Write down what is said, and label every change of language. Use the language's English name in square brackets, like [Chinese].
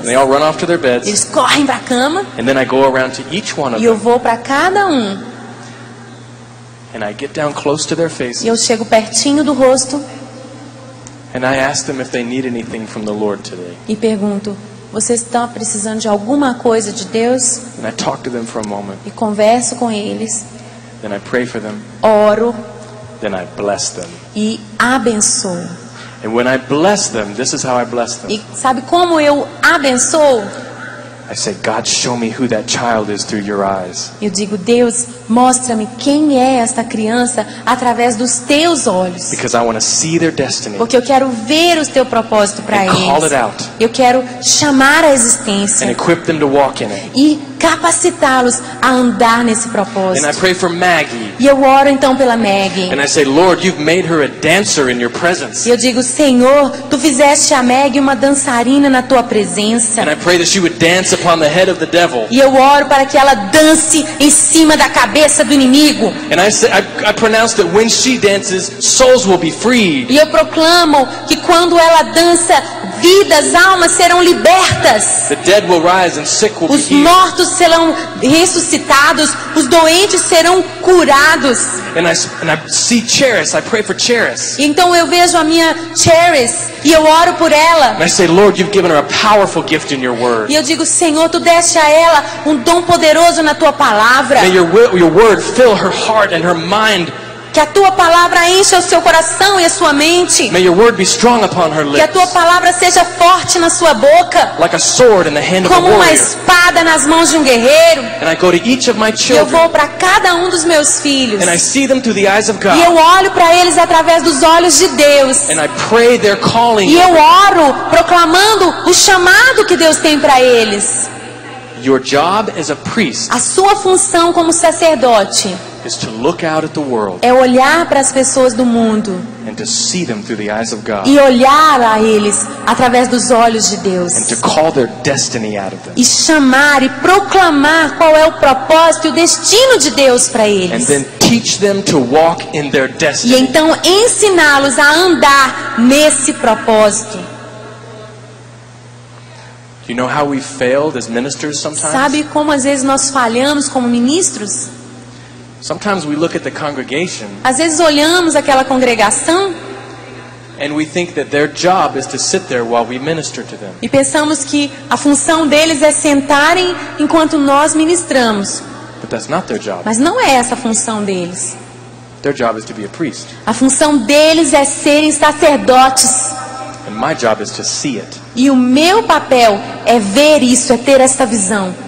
[English] And they all run off to their beds. [Portuguese] Eles correm para a cama. [English] And then I go around to each one of them. [Portuguese] E eu vou para cada um. [English] And I get down close to their faces. [Portuguese] E eu chego pertinho do rosto. [English] And I ask them if they need anything from the Lord today. [Portuguese] E pergunto, vocês estão precisando de alguma coisa de Deus? [English] And I talk to them for a moment. [Portuguese] E converso com eles. [English] Then I pray for them. [Portuguese] Oro. [English] Then I bless them. [Portuguese] E abençoo. [English] And when I bless them, this is how I bless them. [Portuguese] E sabe como eu abençoo? [English] I say, God, show me who that child is through your eyes. [Portuguese] Eu digo, Deus, mostra-me quem é esta criança através dos teus olhos. [English] Because I want to see their destiny. [Portuguese] Porque eu quero ver o teu propósito para eles. [English] And call it out. [Portuguese] Eu quero chamar a existência. [English] And equip them to walk in it. [Portuguese] E capacitá-los a andar nesse propósito. [English] And I pray for Maggie. [Portuguese] E eu oro então pela Maggie. [English] And I say, Lord, you've made her a dancer in your presence. [Portuguese] E eu digo, Senhor, tu fizeste a Maggie uma dançarina na tua presença. [English] And I pray that she would dance upon the head of the devil. [Portuguese] E eu oro para que ela dance em cima da cabeça do inimigo. [English] And I say, I pronounce that when she dances, souls will be free. [Portuguese] E eu proclamo que quando ela dança, vidas, almas serão libertas. [English] The dead will rise and sick will be healed. [Portuguese] Os mortos serão ressuscitados, os doentes serão curados. [English] And I see Charis, I pray for Charis. [Portuguese] Então eu vejo a minha Charis e eu oro por ela. [English] And I say, Lord, you've given her a powerful gift in your word. [Portuguese] E eu digo, Senhor, tu deste a ela um dom poderoso na tua palavra. [English] May your word fill her heart and her mind. [Portuguese] Que a tua palavra encha o seu coração e a sua mente. [English] May your word be strong upon her lips. [Portuguese] Que a tua palavra seja forte na sua boca. [English] Like a sword in the hand of a warrior. [Portuguese] Como uma espada nas mãos de um guerreiro. [English] And I go to each of my children. [Portuguese] Eu vou para cada um dos meus filhos. [English] And I see them through the eyes of God. [Portuguese] E eu olho para eles através dos olhos de Deus. [English] And I pray their calling. [Portuguese] E eu oro proclamando o chamado que Deus tem para eles. [English] Your job as a priest. [Portuguese] A sua função como sacerdote. [English] Is to look out at the world, [Portuguese] é olhar para as pessoas do mundo [English] and to see them through the eyes of God, [Portuguese] e olhar a eles através dos olhos de Deus [English] and to call their destiny out of them, [Portuguese] e chamar e proclamar qual é o propósito e o destino de Deus para eles [English] and then teach them to walk in their destiny, [Portuguese] e então ensiná-los a andar nesse propósito. [English] Do you know how we failed as ministers sometimes? [Portuguese] Sabe como às vezes nós falhamos como ministros? [English] Sometimes we look at the congregation, [Portuguese] às vezes olhamos aquela congregação [English] and we think that their job is to sit there while we minister to them. [Portuguese] E pensamos que a função deles é sentarem enquanto nós ministramos. [English] But that's not their job. [Portuguese] Mas não é essa a função deles. [English] Their job is to be a priest. [Portuguese] A função deles é serem sacerdotes. [English] And my job is to see it. [Portuguese] E o meu papel é ver isso, é ter essa visão.